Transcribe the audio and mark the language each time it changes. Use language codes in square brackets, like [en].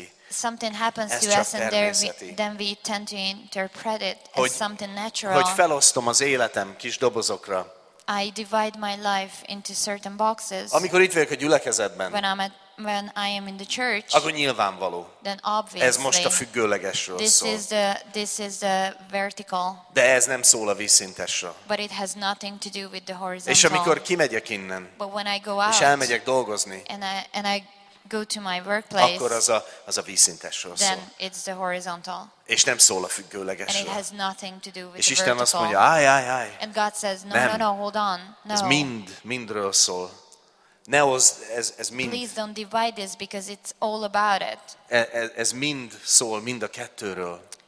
[en] Something happens to us and then we tend to interpret it as something natural. [hu] Hogy felosztom az életem kis dobozokra. [en] I divide my life into certain boxes. [hu] Amikor itt vagyok a gyülekezetben. [en] When I am in the church. [hu] Akkor nyilvánvaló. [en] Then obviously. [hu] Ez most a függőlegesről [en] this [hu] szól. [en] This is the vertical. [hu] De ez nem szól a vízszintesről. [en] But it has nothing to do with the horizontal. [hu] És amikor kimegyek innen. [en] But when I go out. [hu] És elmegyek dolgozni. [en] And I go to my workplace. [hu] Akkor az a vízszintesről [en] then [hu] szól. [en] It's the horizontal. [hu] És nem szól a függőlegesről. [en] And it has nothing to do with [hu] és [en] the [hu] Isten [en] vertical. [hu] Azt mondja, áj. [en] And God says, no, hold on. No. [hu] Ez mindről szól. Ne oszd, ez mind. [en] Please don't divide this because it's all about it. [hu] Ez mind szól mind a kettőről.